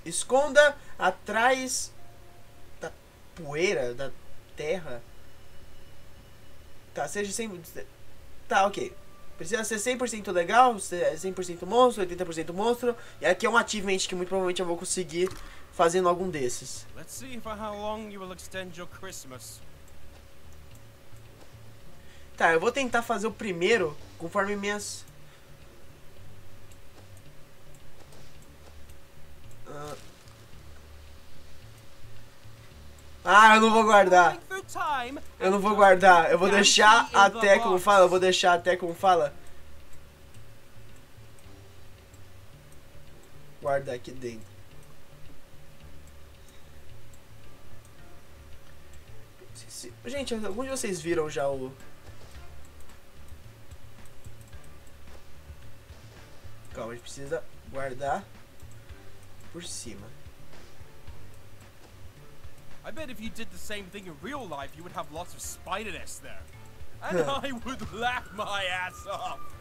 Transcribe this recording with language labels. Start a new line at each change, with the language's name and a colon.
Portuguese: Esconda atrás da poeira, da terra. Tá, seja sempre. Tá, ok. Precisa ser 100% legal, 100% monstro, 80% monstro. E aqui é um achievement que muito provavelmente eu vou conseguir fazendo algum desses.
English: Let's see for how long you will extend your Christmas.
Portuguese: Tá, eu vou tentar fazer o primeiro conforme minhas. Ah, eu não vou guardar. Eu não vou guardar. Eu vou deixar até como fala. Eu vou deixar até como fala. Guardar aqui dentro. Gente, algum de vocês viram já o. Calma, a gente precisa guardar por cima.
English: I bet if you did the same thing in real life, you would have lots of spider nests there. And I would laugh my ass off.